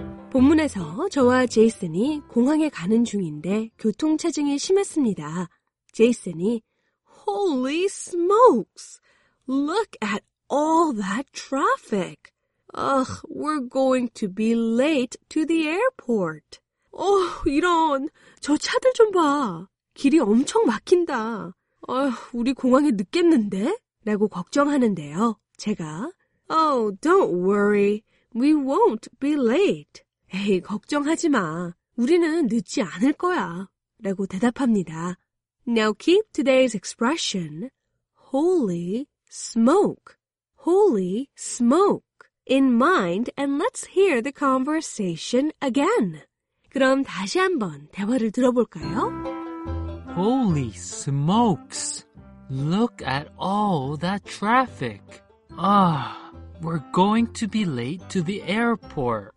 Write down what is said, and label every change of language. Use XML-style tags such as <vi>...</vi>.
<ko>본문에서 저와 제이슨이 공항에 가는 중인데 교통체증이 심했습니다. 제이슨이</ko> <en>Holy smokes! Look at all that traffic! Ugh, we're going to be late to the airport.</en> <ko>어, 이런, 저 차들 좀 봐. 길이 엄청 막힌다. 우리 공항에 늦겠는데? 라고 걱정하는데요. 제가</ko> <en>Oh, don't worry. We won't be late.</en> <ko>에이, 걱정하지 마. 우리는 늦지 않을 거야. 라고 대답합니다.</ko> <en>Now keep today's expression, holy smoke, holy smoke, in mind and let's hear the conversation again.</en> <ko>그럼 다시 한번 대화를 들어볼까요?</ko> <en>Holy smokes, look at all that traffic. Ah. We're going to be late to the airport.</en>